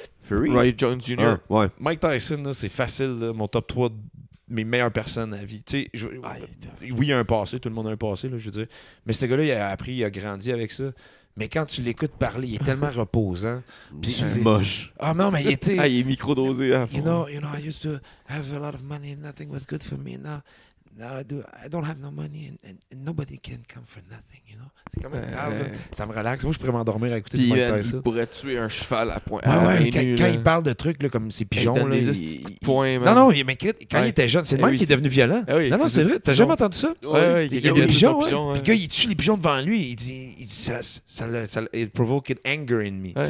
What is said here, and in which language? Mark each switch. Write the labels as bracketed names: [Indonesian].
[French] Fury. Roy Jones Jr. Ouais. Mike Tyson, là, c'est facile, là, mon top 3 de mes meilleures personnes à vie. Tu sais, oui, il y a un passé. Tout le monde a un passé, là, je veux dire. Mais ce gars-là, il a appris, il a grandi avec ça. Mais quand tu l'écoutes parler, il est tellement reposant. Puis c'est moche. Ah non, mais il était... Ah, il est micro-dosé. [English] You know, I used to have a lot of money and nothing was good for me. Now I don't have no money and nobody can come for nothing, you know? [French] C'est quand même grave. Ça me relaxe. Moi, je pourrais m'endormir à écouter puis du Mike Tyson. Il pourrait tuer un cheval à point. Ouais, à ouais. Main quand il parle de trucs là, comme ses pigeons... Il donne des points, man. Non, mais quand il était jeune, c'est le même qui est devenu violent. Oui, non, c'est vrai. T'as jamais entendu ça? Ouais, il y a des pigeons, ouais. Puis le gars, il tue les pigeons devant lui. Il dit, ça [English] it provoked anger in me.